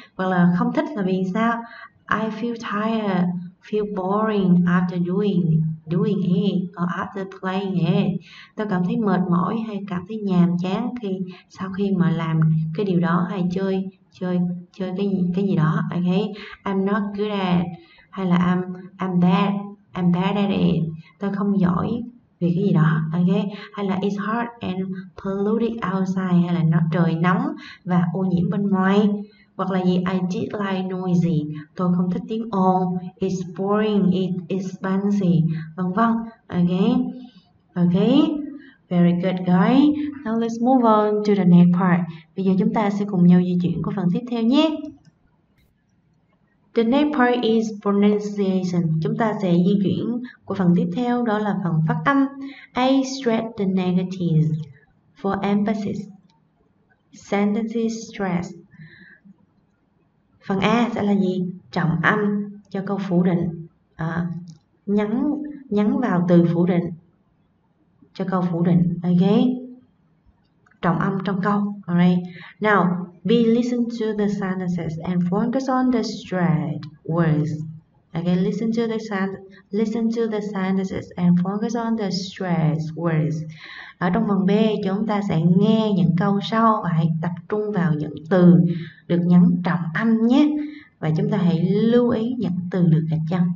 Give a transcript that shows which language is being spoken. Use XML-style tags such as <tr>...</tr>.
<vi>Hoặc là không thích là vì sao?</vi> <en>I feel tired, feel boring after doing doing it or after playing it.</en> <vi>Tôi cảm thấy mệt mỏi hay cảm thấy nhàm chán khi sau khi mà làm cái điều đó hay chơi chơi chơi cái gì đó.</vi> <en>Okay, I'm not good at</en> <vi>hay là</vi> <en>I'm bad at it.</en> <vi>Tôi không giỏi về cái gì đó. Okay, hay là</vi> <en>it's hot and polluted outside</en> <vi>hay là nó trời nóng và ô nhiễm bên ngoài. Hoặc là gì,</vi> <en>I did like noisy,</en> <vi>tôi không thích tiếng ồn,</vi> <en>it's boring, it's expensive,</en> <vi>vân vân.</vi> <en>Okay, okay, very good guys. Now let's move on to the next part.</en> <vi>Bây giờ chúng ta sẽ cùng nhau di chuyển qua phần tiếp theo nhé.</vi> <en>The next part is pronunciation.</en> <vi>Chúng ta sẽ di chuyển qua phần tiếp theo, đó là phần phát âm.</vi> <en>I stress the negatives for emphasis. Sentences stress.</en> <vi>Phần A sẽ là gì? Trọng âm cho câu phủ định. Nhấn vào từ phủ định cho câu phủ định. Okay. Trọng âm trong câu. Alright.</vi> <en>Now, B, listen to the sentences and focus on the stressed words. Okay, listen to the sentences and focus on the stressed words.</en> <vi>Ở trong phần B, chúng ta sẽ nghe những câu sau và hãy tập trung vào những từ được nhấn trọng âm nhé. Và chúng ta hãy lưu ý những từ được gạch chân.</vi>